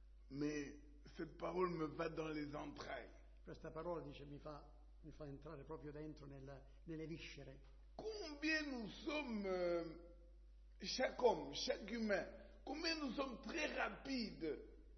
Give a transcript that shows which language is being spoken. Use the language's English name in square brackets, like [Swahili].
[French] Mais cette parole me va dans les entrailles. [Italian] Questa parola dice mi fa entrare proprio dentro nelle viscere. [French] Combien nous sommes chaque homme, chaque humain, combien nous sommes très rapides.